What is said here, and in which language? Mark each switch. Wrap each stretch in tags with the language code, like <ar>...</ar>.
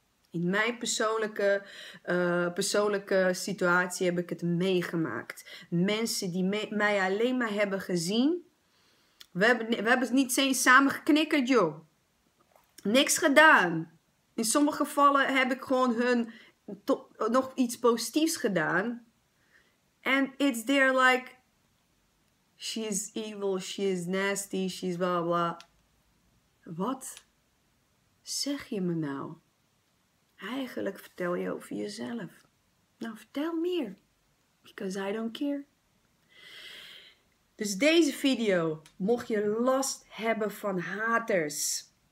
<nl>In mijn persoonlijke situatie heb ik het meegemaakt. Mensen die mij alleen maar hebben gezien. We hebben niet eens samen geknikkerd, joh. Niks gedaan. In sommige gevallen heb ik gewoon hun nog iets positiefs gedaan.</nl> <en>And it's there like, she's evil, she's nasty, she's blah blah.</en> <nl>Wat zeg je me nou? Eigenlijk vertel je over jezelf. Nou, vertel meer. Because I don't care. Dus deze video, mocht je last hebben van haters.</nl>